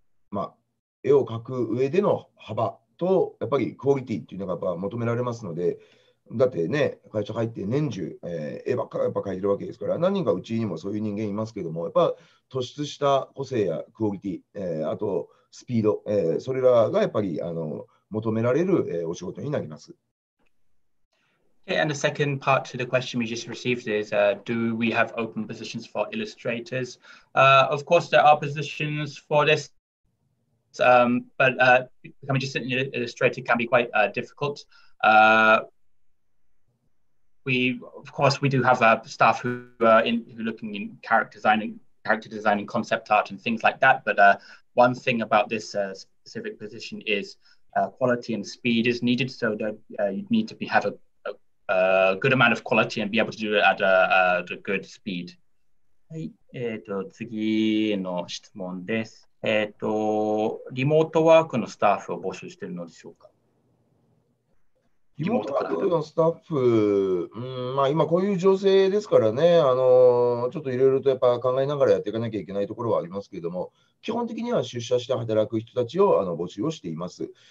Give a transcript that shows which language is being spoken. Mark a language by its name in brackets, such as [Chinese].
[Japanese] う、まあ、絵を描く上での幅と、やっぱりクオリティっていうのがやっぱ求められますので、だってね、会社入って年中、絵ばっかりやっぱ描いてるわけですから、何人かうちにもそういう人間いますけども、やっぱ突出した個性やクオリティ、あとスピード、それらがやっぱり求められる、お仕事になります。 [English] Okay, and the second part to the question we just received is do we have open positions for illustrators? Of course, there are positions for this, but becoming just an illustrator can be quite difficult. We, of course, we do have staff who are looking in character design and concept art and things like that, but one thing about this specific position is quality and speed is needed, so that you'd need to be have a good amount of quality and be able to do it at a good speed. [Japanese] はい、次の質問です。リモートワークのスタッフを募集しているのでしょうか？リリモーモートトワーから。クのスタッフ、まあ今こういう情勢ですからね、ちょっといろいろとやっぱ考えながらやっていかなきゃいけないところはありますけれども、基本的には出社して働く人たちを募集をしています。